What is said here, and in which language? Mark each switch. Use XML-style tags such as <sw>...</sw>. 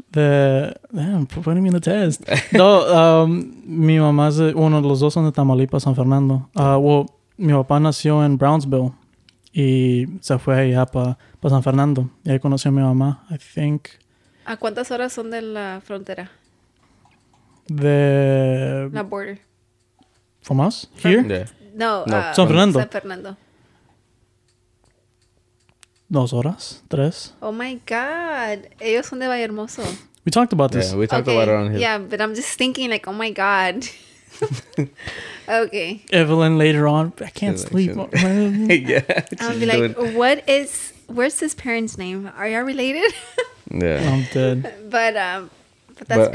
<en>Damn, putting me in the test.</en> <es>No, mi mamá es uno de los dos son de Tamaulipas, San Fernando. Mi papá nació en Brownsville y se fue allá para San Fernando. Y ahí conoció a mi mamá,</es> <en>I think.</en> <es>¿A cuántas horas son de la frontera? De la border.</es> <en>¿From us? Here? No. San Fernando. San Fernando.</en> <es>2 horas? 3?</es> <en>Oh my God.</en> <es>Ellos son de Vallehermoso.</es> <en>We talked about this. Yeah, we talked about it on here. Yeah, but I'm just thinking like, oh my God. Okay. Evelyn later on, I can't sleep. Yeah. I'll be like, where's his parents' name? Are y'all related? Yeah. I'm dead. But crazy.</en>